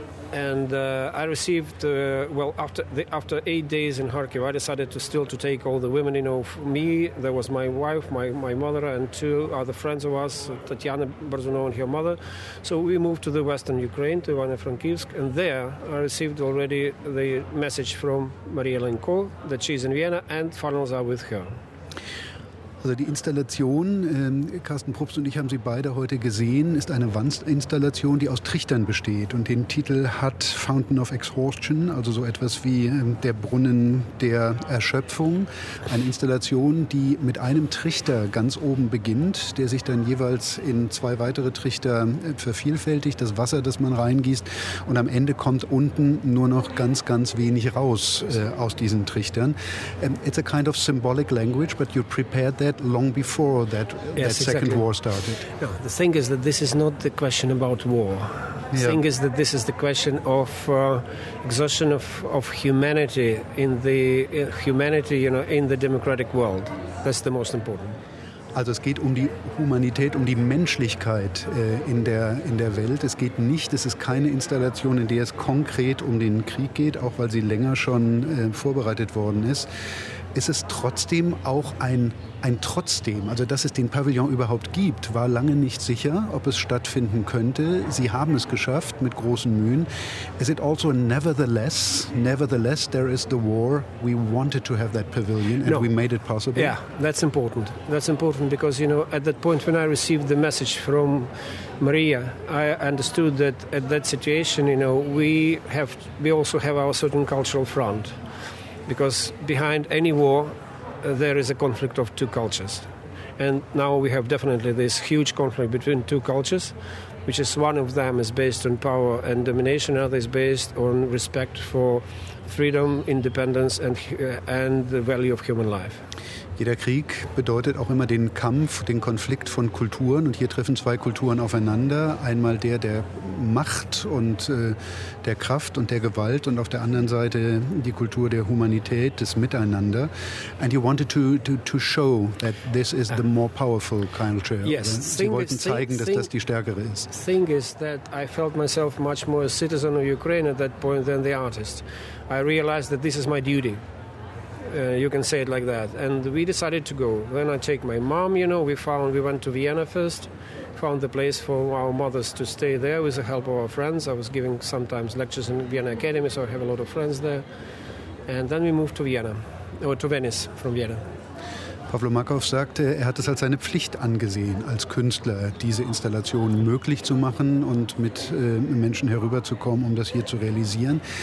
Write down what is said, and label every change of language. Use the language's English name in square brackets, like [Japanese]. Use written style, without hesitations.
[English] And I received, after 8 days in Kharkiv, I decided to still to take all the women, you know, for me, there was my wife, my mother, and two other friends of us, Tatiana Barzunova and her mother. So we moved to the western Ukraine, to Ivano-Frankivsk, and there I received already the message from Maria Lenko that she's in Vienna and funnels are with her. [German] Also die Installation, Carsten Probst und ich haben sie beide heute gesehen, ist eine Wandinstallation, die aus Trichtern besteht. Und den Titel hat Fountain of Exhaustion, also so etwas wie der Brunnen der Erschöpfung. Eine Installation, die mit einem Trichter ganz oben beginnt, der sich dann jeweils in zwei weitere Trichter vervielfältigt. Das Wasser, das man reingießt, und am Ende kommt unten nur noch ganz, ganz wenig raus aus diesen Trichtern. [English] It's a kind of symbolic language, but you prepared that long before second war started. No, the thing is that this is not the question about war. The thing is that this is the question of exhaustion of humanity in the democratic world. That's the most important. [German] Also es geht um die Humanität, um die Menschlichkeit in der Welt. Es geht nicht, es ist keine Installation, in der es konkret um den Krieg geht, auch weil sie länger schon vorbereitet worden ist. Es ist trotzdem auch ein Trotzdem. Also dass es den Pavillon überhaupt gibt, war lange nicht sicher, ob es stattfinden könnte. Sie haben es geschafft mit großen Mühen. [English] Is it also nevertheless, nevertheless there is the war. We wanted to have that pavilion and we made it possible. Yeah, that's important. That's important because, you know, at that point when I received the message from Maria, I understood that at that situation, you know, we also have our certain cultural front. Because behind any war, there is a conflict of two cultures. And now we have definitely this huge conflict between two cultures, which is one of them is based on power and domination, another is based on respect for freedom, independence and the value of human life. [German] Jeder Krieg bedeutet auch immer den Kampf, den Konflikt von Kulturen. Und hier treffen zwei Kulturen aufeinander. Einmal der der Macht und der Kraft und der Gewalt und auf der anderen Seite die Kultur der Humanität, des Miteinander. [English] And you wanted to show that this is the more powerful culture. Yes. [German] Sie wollten zeigen, dass das die stärkere ist. [English] Thing is that I felt myself much more a citizen of Ukraine at that point than the artist. I realized that this is my duty. You can say it like that. And we decided to go. Then I take my mom, you know, we went to Vienna first, found the place for our mothers to stay there with the help of our friends. I was giving sometimes lectures in Vienna Academy, so I have a lot of friends there. And then we moved to Vienna, or to Venice from Vienna. [German] Pavlo Markov sagte, er hat es als seine Pflicht angesehen, als Künstler diese Installation möglich zu machen und mit Menschen herüberzukommen, um das hier zu realisieren.